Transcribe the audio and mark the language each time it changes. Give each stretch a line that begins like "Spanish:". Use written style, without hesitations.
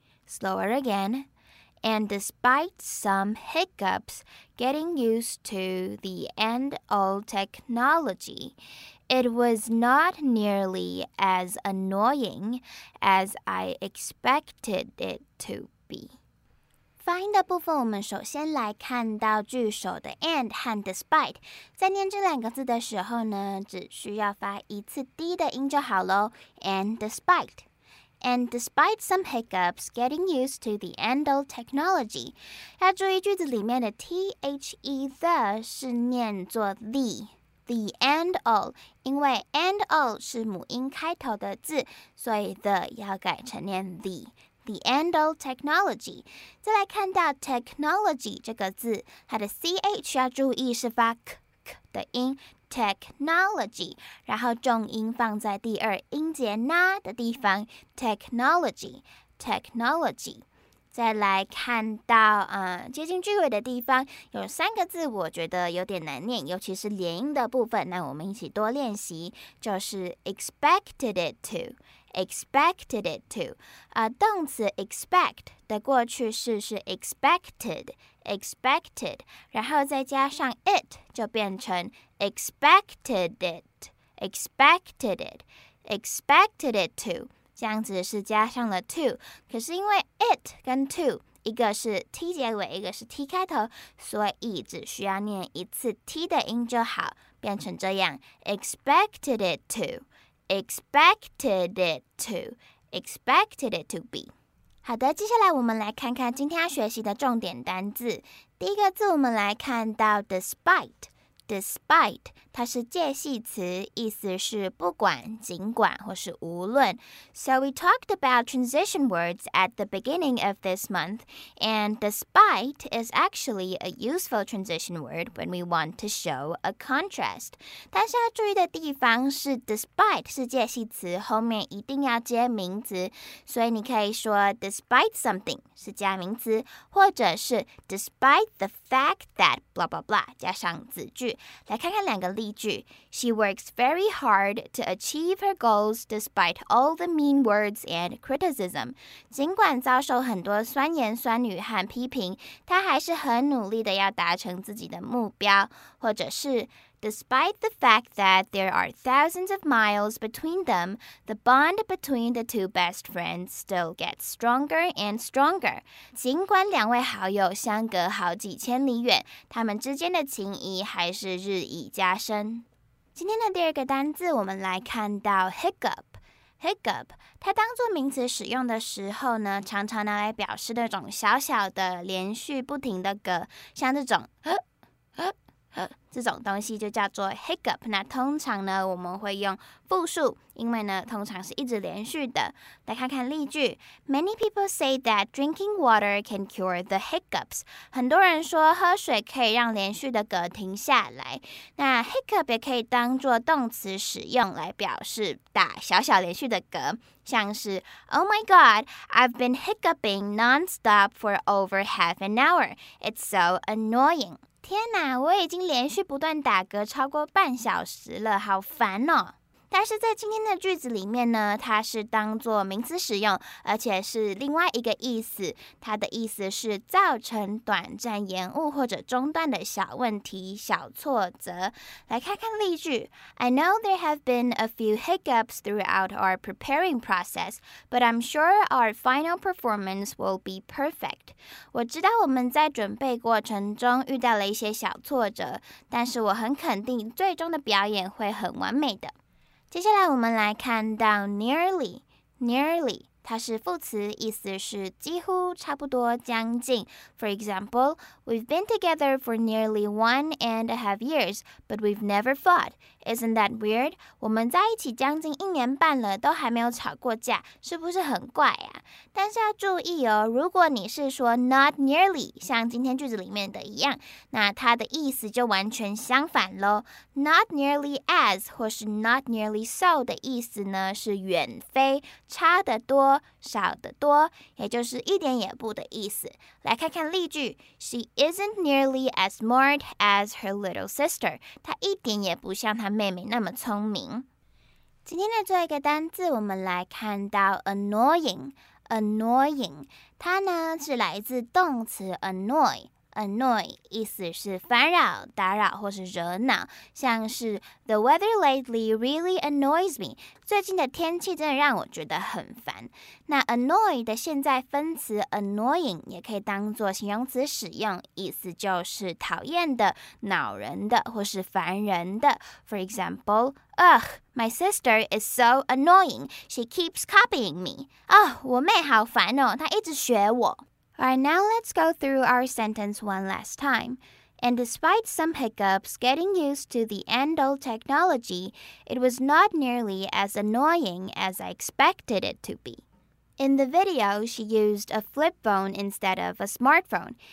English: Slower again. And despite some hiccups getting used to the end-all technology, it was not nearly as annoying as I expected it to be.
Chinese: 发音的部分，我们首先来看到句首的 and 和 despite。在念这两个字的时候呢，只需要发一次低的音就好咯。
English: And despite。 And despite some hiccups, getting used to the end-all technology.
Chinese: 要注意句子里面的 the 是念作 the。 The end-all, 因为 end-all 是母音开头的字，所以 the 要改成念 the。 The end-all technology. 再来看到 technology 这个字，它的 ch 要注意是发 k k 的音 technology， 然后重音放在第二音节 na 的地方 technology technology。再来看到接近句尾的地方有三个字，我觉得有点难念，尤其是连音的部分。那我们一起多练习，就是
English: expected it to。 Expected it to.
Chinese: 动词
English: expect
Chinese: 的过去式是
English: expected, expected.
Chinese: 然后再加上
English: it
Chinese: 就变成
English: expected it, expected it, expected it to.
Chinese: 这样子是加上了 to. 可是因为 it 跟 to 一个是 t 结尾，一个是 t 开头，所以只需要念一次 t 的音就好，变成这样
English: expected it to. Expected it to, expected it to be.
Chinese: 好的，接下来我们来看看今天要学习的重点单字。第一个字我们来看到 despite, despite, 它是介系词，意思是不管、尽管或是无论。
English: So we talked about transition words at the beginning of this month, and despite is actually a useful transition word when we want to show a contrast.
Chinese: 但是要注意的地方是 despite 是介系词，后面一定要接名词，所以你可以说
English: despite something
Chinese: 是加名词，或者是
English: despite the fact that blah blah
Chinese: blah 加上子句。来看看两个例句。
English: She works very hard to achieve her goals despite all the mean words and criticism.
Chinese: 尽管遭受很多酸言酸语和批评，她还是很努力的要达成自己的目标。或者是
English: Despite the fact that there are thousands of miles between them, the bond between the two best friends still gets stronger and stronger.
Chinese: 尽管两位好友相隔好几千里远，他们之间的情谊还是日益加深。今天的第二个单字，我们来看到 hiccup。Hiccup， 它当作名词使用的时候呢，常常拿来表示那种小小的连续不停的嗝，像这种这种东西就叫做 hiccup。那通常呢我们会用复数，因为呢通常是一直连续的。来看看例句。
English: Many people say that drinking water can cure the hiccups.
Chinese: 很多人说喝水可以让连续的嗝停下来。那 hiccup 也可以当作动词使用，来表示打小小连续的嗝，像是
English: Oh my god, I've been hiccuping non-stop for over half an hour. It's so annoying.
Chinese: 天哪，我已经连续不断打嗝超过半小时了，好烦哦。但是在今天的句子里面呢，它是当作名词使用，而且是另外一个意思。它的意思是造成短暂延误或者中断的小问题、小挫折。来看看例句。
English: I know there have been a few hiccups throughout our preparing process, but I'm sure our final performance will be perfect.
Chinese: 我知道我们在准备过程中遇到了一些小挫折，但是我很肯定最终的表演会很完美的。接下来我们来看到 nearly, nearly, 它是副词，意思是几乎、差不多、将近。
English: For example, we've been together for nearly 1.5 years, but we've never fought. Isn't that weird?
Chinese: 我们在一起将近一年半了，都还没有吵过架，是不是很怪啊？但是要注意哦，如果你是说 not nearly, 像今天句子里面的一样，那它的意思就完全相反咯。 Not nearly as 或是 not nearly so 的意思呢，是远非、差得多、少得多，也就是一点也不的意思。来看看例句，
English: She isn't nearly as smart as her little sister.
Chinese: 她一点也不像她妹妹那么聪明。今天的最后一个单字，我们来看到 annoying。 Annoying 它呢是来自动词 annoy。 Annoy 意思是烦扰、打扰或是惹恼，像是
English: The weather lately really annoys me.
Chinese: 最近的天气真的让我觉得很烦。那 annoy 的现在分词 annoying 也可以当作形容词使用，意思就是讨厌的、恼人的或是烦人的。
English: For example, Ugh, my sister is so annoying. She keeps copying me.
Chinese: 哦、oh, ，我妹好烦哦，她一直学我。
English: Alright, now let's go through our sentence one last time. And despite some hiccups getting used to the end-all technology, it was not nearly as annoying as I expected it to be. In the video, she used a flip phone instead of a smartphone.